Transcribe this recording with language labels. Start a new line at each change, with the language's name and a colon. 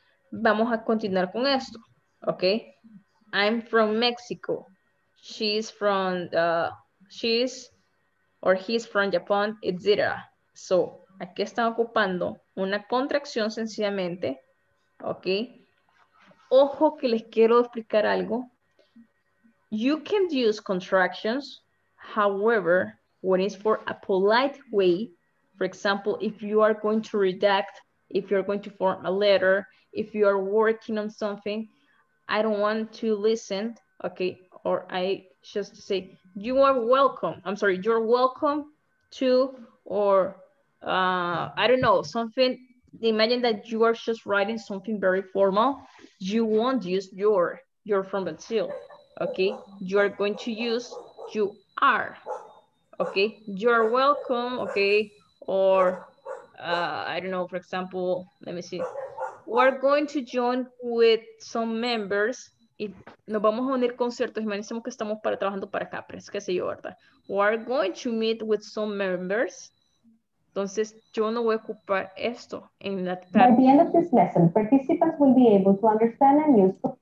Spanish: Vamos a continuar con esto. Ok.
English: I'm from Mexico. She's from, she's, or he's from Japan, etc.
Spanish: So, aquí están ocupando una contracción sencillamente, ok. Ojo que les quiero explicar algo.
English: You can use contractions, however, when it's for a polite way, for example, if you are going to redact, if you're going to form a letter, if you are working on something, I don't want to listen, ok. Or I just say, you are welcome. I'm sorry, you're welcome to, or I don't know, something. Imagine that you are just writing something very formal. You won't use your, you're from Brazil. Okay, you are going to use you are. Okay, you're welcome. Okay, or I don't know, for example, let me see. We're going to join with some members.
Spanish: Y nos vamos a unir con ciertos, imaginemos que estamos para trabajando para acá, pero es que sé yo, ¿verdad?
English: We're going to meet with some members.
Spanish: Entonces, yo no voy a ocupar esto en la tarde.
English: At the end of this lesson, participants will be able to understand and use.